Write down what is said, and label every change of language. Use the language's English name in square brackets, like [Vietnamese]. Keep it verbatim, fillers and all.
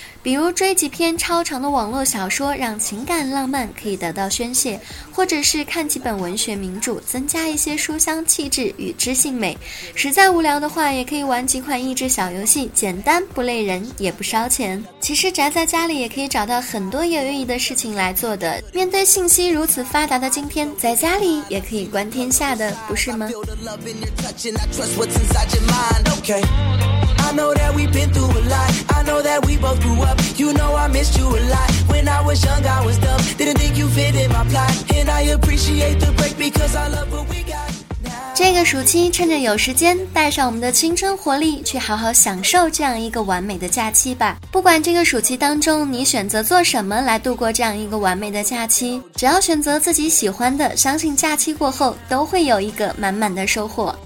[Chinese] 比如追几篇超长的网络小说，让情感浪漫可以得到宣泄，或者是看几本文学名著，增加一些书香气质与知性美。实在无聊的话，也可以玩几款益智小游戏，简单不累人也不烧钱。其实宅在家里也可以找到很多有意义的事情来做的。面对信息如此发达的今天，在家里也可以观天下的，不是吗？ [English] I know that we've been through a lot. I know that we both grew up. You know I missed you a lot. When I was young, I was dumb. Didn't think you fit in my plot. And I appreciate the break because I love what we got. [Chinese] 这个暑期趁着有时间，带上我们的青春活力，去好好享受这样一个完美的假期吧。不管这个暑期当中你选择做什么来度过这样一个完美的假期，只要选择自己喜欢的，相信假期过后都会有一个满满的收获。